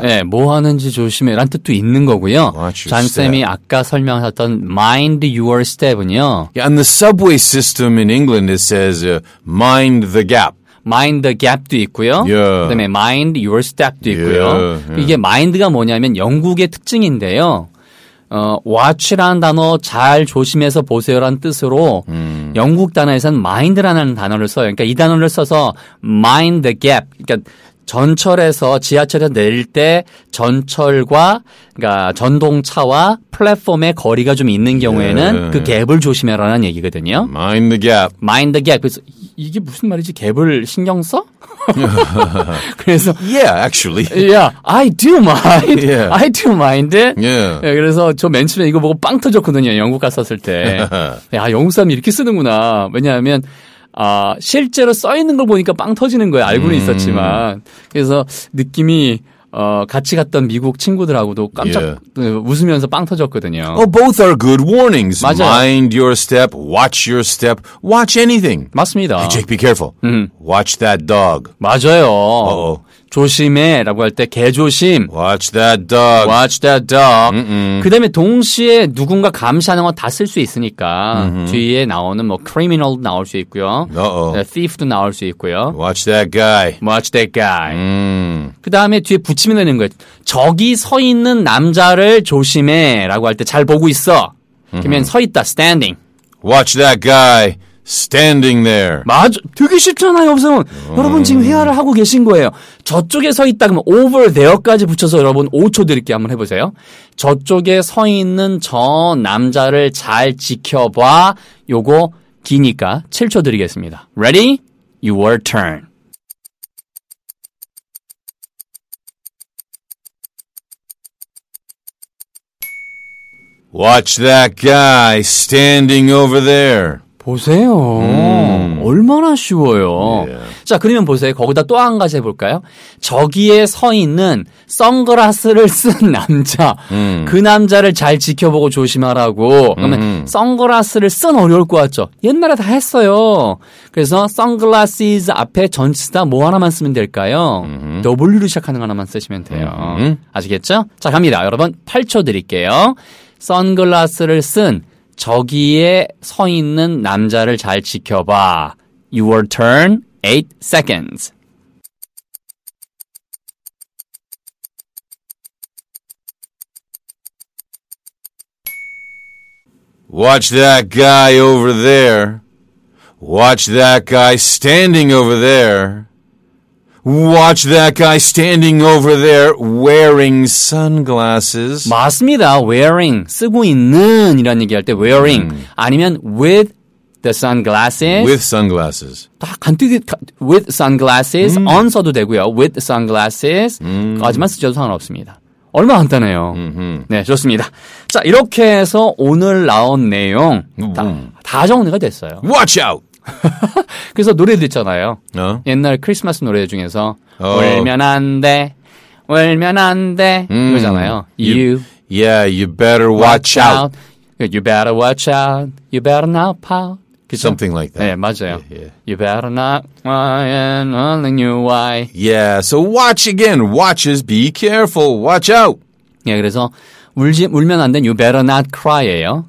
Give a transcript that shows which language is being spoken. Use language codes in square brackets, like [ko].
[ko] 네, 뭐 하는지 조심해라는 뜻도 있는 거고요. 잔쌤이 아까 설명하셨던 [en] mind your step [ko] 은요. [en] Yeah, and the subway system in England, it says mind the gap. [ko] Mind the gap도 있고요. [en] Yeah. [ko] 그다음에 mind your step도 있고요. [en] Yeah. [ko] 이게 mind가 뭐냐면 영국의 특징인데요. Watch라는 단어 잘 조심해서 보세요라는 뜻으로 영국 단어에서는 mind라는 단어를 써요. 그러니까 이 단어를 써서 mind the gap. 그러니까 전철에서 지하철에서 내릴 때 전철과 그러니까 전동차와 플랫폼의 거리가 좀 있는 경우에는 그 갭을 조심해라는 얘기거든요. [en] Mind the gap. Mind the gap. [ko] 그래서 이게 무슨 말이지? 갭을 신경 써? 그래서 [en] Yeah, actually. Yeah, I do mind. Yeah. I do mind. Yeah. [ko] 그래서 저 맨 처음에 이거 보고 빵 터졌거든요. 영국 갔었을 때. 야, 영국 사람이 이렇게 쓰는구나. 왜냐하면 아, 실제로 써 있는 걸 보니까 빵 터지는 거야. 알고는 있었지만. 그래서 느낌이 같이 갔던 미국 친구들하고도 깜짝 웃으면서 빵 터졌거든요. [en] Oh, both are good warnings. [ko] 맞아요. [en] Mind your step, watch your step, watch anything. [ko] 맞습니다. [en] Hey, Jake, be careful. Watch that dog. [ko] 맞아요. Uh-oh. 조심해라고 할 때 개조심. [en] Watch that dog. Watch that dog. Mm-mm. [ko] 그다음에 동시에 누군가 감시하는 거 다 쓸 수 있으니까 mm-hmm. 뒤에 나오는 뭐 criminal 나올 수 있고요. Uh-oh. Thief도 나올 수 있고요. [en] Watch that guy. Watch that guy. Mm. [ko] 그다음에 뒤에 붙이면 되는 거예요. 저기 서 있는 남자를 조심해라고 할 때 잘 보고 있어. 그러면 mm-hmm. 서 있다. Standing. [en] Watch that guy. Standing there. [ko] 맞아. 되게 쉽잖아요, 여러분. 여러분 지금 회화를 하고 계신 거예요. 저쪽에 서 있다 그러면 over there까지 붙여서 여러분 5초 드릴게요. 한번 해보세요. 저쪽에 서 있는 저 남자를 잘 지켜봐. 요거 기니까 7초 드리겠습니다. [en] Ready? Your turn. Watch that guy standing over there. [ko] 보세요. 얼마나 쉬워요. [en] Yeah. [ko] 자, 그러면 보세요. 거기다 또 한 가지 해볼까요? 저기에 서 있는 선글라스를 쓴 남자. 그 남자를 잘 지켜보고 조심하라고. 그러면 선글라스를 쓴 어려울 것 같죠? 옛날에 다 했어요. 그래서 선글라스 앞에 전치사 뭐 하나만 쓰면 될까요? W로 시작하는 거 하나만 쓰시면 돼요. 아시겠죠? 자, 갑니다. 여러분 8초 드릴게요. 선글라스를 쓴 저기에 서 있는 남자를 잘 지켜봐. [en] Your turn, 8 seconds. Watch that guy over there. Watch that guy standing over there. Watch that guy standing over there wearing sunglasses. [ko] 맞습니다. Wearing, 쓰고 있는 이런 얘기할 때 wearing. [en] 아니면 with the sunglasses. With sunglasses. [ko] 다 간단히 with sunglasses. on 써도 되고요. With sunglasses. 하지만 쓰셔도 상관없습니다. 얼마 안 따네요. 네, 좋습니다. 자, 이렇게 해서 오늘 나온 내용 다 정리가 됐어요. [en] Watch out! [ko] 그래서 노래 듣잖아요. 어? 옛날 크리스마스 노래 중에서 어. 울면 안 돼, 울면 안 돼. 그거잖아요. [en] Yeah, you better watch out. You better watch out. You better not pout. Something like that. [ko] 네, 맞아요. [en] Yeah, yeah. You better not cry and only knew why. Yeah, so watch again. Watch is be careful. Watch out. [ko] 네, 그래서 울면 안 된 [en] you better not cry [ko] 예요.